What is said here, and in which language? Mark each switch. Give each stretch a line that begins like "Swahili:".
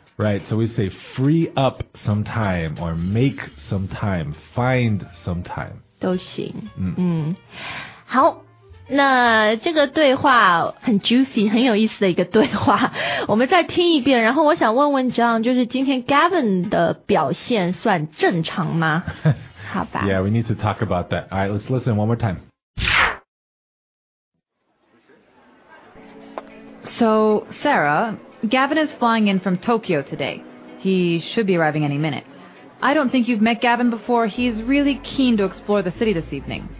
English: Right, so we say free up some time, or make some time, find some time.
Chinese: 都行。好，那这个对话很 juicy, 很有意思的一个对话，我们再听一遍。然后我想问问 John, 就是今天 Gavin 的表现算正常吗？好吧。
English: Yeah, we need to talk about that. All right, let's listen one more time. So, Sarah, Gavin is flying in from Tokyo today. He should be arriving any minute. I don't think you've met Gavin before. He's really keen to explore the city this evening.